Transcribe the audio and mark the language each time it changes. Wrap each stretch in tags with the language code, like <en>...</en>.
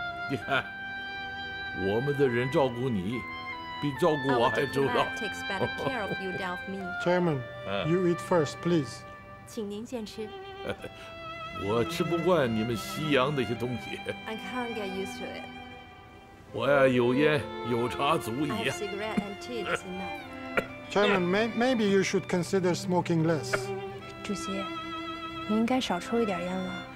<zh>你看，我们的人照顾你，比照顾我还周到。</zh> <en>Our diplomatics better care of you than of me. Chairman, you eat first, please.</en> <zh>请您先吃。我吃不惯你们西洋那些东西。</zh> <en>I can't get used to it.</en> <zh>我呀，有烟有茶足矣。</zh> <en>I have cigarette and tea, that's enough. Chairman, maybe you should consider smoking less.</en> <zh>主席。你应该少抽一点烟了。</zh>